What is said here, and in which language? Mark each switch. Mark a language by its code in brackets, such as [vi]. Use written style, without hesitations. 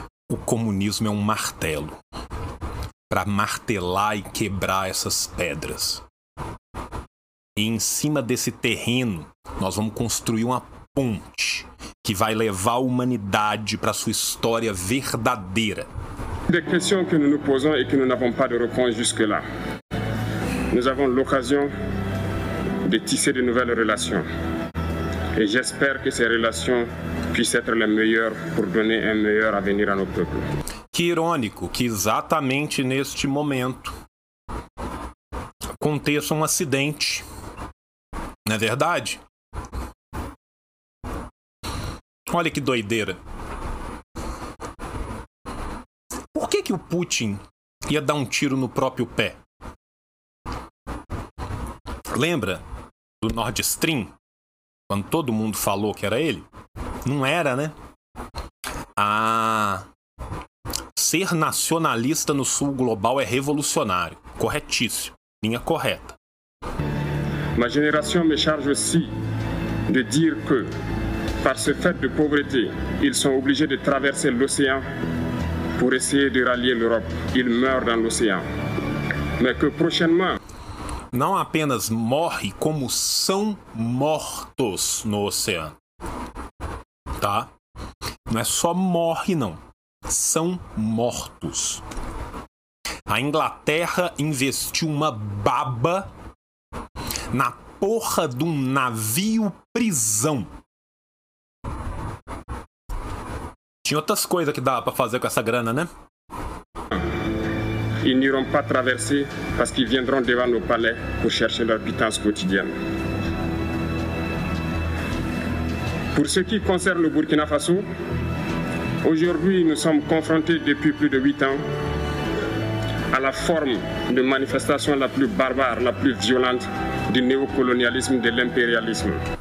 [pt] O comunismo é um martelo para martelar e quebrar essas pedras. E em cima desse terreno, nós vamos construir uma ponte que vai levar a humanidade para sua história verdadeira. [fr] Des questions que nous nous posons et que nous n'avons pas de réponse jusque-là. Nous avons l'occasion de tisser de nouvelles relations. Et j'espère que ces relations puissent être les meilleures pour donner un meilleur avenir à nos peuples. [pt] Que irônico que exatamente neste momento aconteça um acidente. Não é verdade? Olha que doideira. Por que que o Putin ia dar um tiro no próprio pé? Lembra do Nord Stream? Quando todo mundo falou que era ele? Não era, né? Ah, ser nacionalista no sul global é revolucionário. Corretíssimo. Linha correta. [fr] Ma génération me charge aussi de dire que, par ce fait de pauvreté, ils sont obligés de traverser l'océan pour essayer de rallier l'Europe. Ils meurent dans l'océan. Mais que prochainement... [pt] Não apenas morre, como são mortos no oceano. Tá? Não é só morre, não. São mortos. A Inglaterra investiu uma baba na porra de um navio-prisão. Tinha outras coisas que dava pra fazer com essa grana, né? [fr] Ils n'iront pas traverser parce qu'ils viendront devant nos palais pour chercher leur pitance quotidienne. Pour ce qui concerne le Burkina Faso, aujourd'hui nous sommes confrontés depuis plus de 8 ans à la forme de manifestation la plus barbare, la plus violente du néocolonialisme, de l'impérialisme.